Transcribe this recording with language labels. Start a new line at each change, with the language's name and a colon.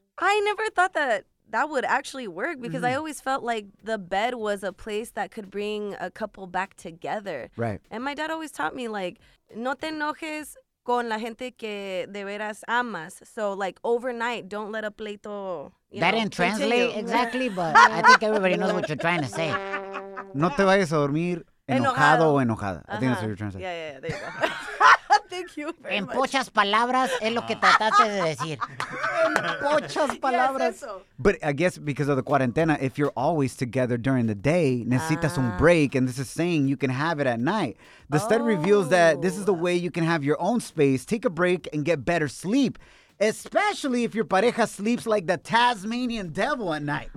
English: I never thought that would actually work because I always felt like the bed was a place that could bring a couple back together. Right. And my dad always taught me, like,
Spanish: no te enojes con la gente que de veras amas.
English: So, like, overnight, don't let a pleito, you that know, that didn't translate exactly, but I think everybody knows what you're trying to say.
Spanish: No te vayas a dormir enojado o enojada.
English: Uh-huh. I think that's what you're trying to say. Yeah, there you go. Thank you very en much.
Spanish: Pochas palabras es lo que trataste de decir. En pochas palabras. Yes, eso.
English: But I guess because of the cuarentena, if you're always together during the day,
Spanish: necesitas un
English: break, and this is saying you can have it at night. The study reveals that this is the way you can have your own space, take a break, and get better sleep, especially if your pareja sleeps like the Tasmanian devil at night.